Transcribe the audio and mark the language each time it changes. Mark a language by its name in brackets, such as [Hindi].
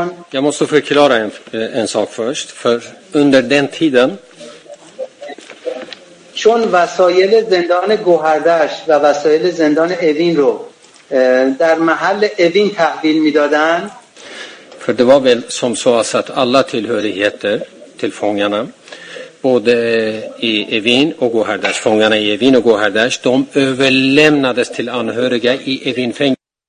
[Swedish] Jag måste förklara en sak först. För under den tiden [Persian] چون وسایل زندان گوهردشت و وسایل زندان اوین رو در محل اوین تحویل میدادن [Swedish] För det var väl som så att alla tillhörigheter till fångarna, både i Evin och Gohardasht, fångarna i Evin och Gohardasht, de överlämnades till anhöriga i Evinfängelset.